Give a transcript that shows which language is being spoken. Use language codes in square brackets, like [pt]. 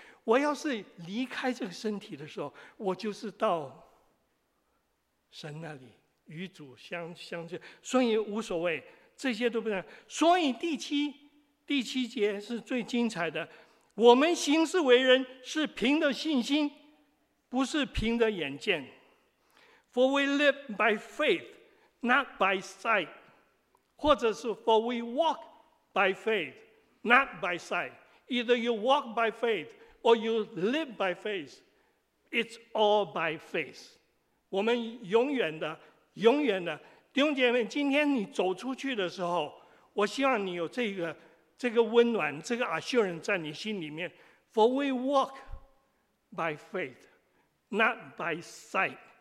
[zh] 我要是离开这个身体的时候，我就是到神那里与主相见，所以无所谓，这些都不能。所以第七节是最精彩的，我们行事为人是凭着信心，不是凭着眼见。 [en] For we live by faith, not by sight. [zh] 或者是 [en] For we walk by faith, not by sight. Either you walk by faith or you live by faith. It's all by faith. [zh] 我们永远的永远的弟兄姐妹，今天你走出去的时候，我希望你有这个温暖，这个 assurance 在你心里面。 [en] For we walk by faith, not by sight.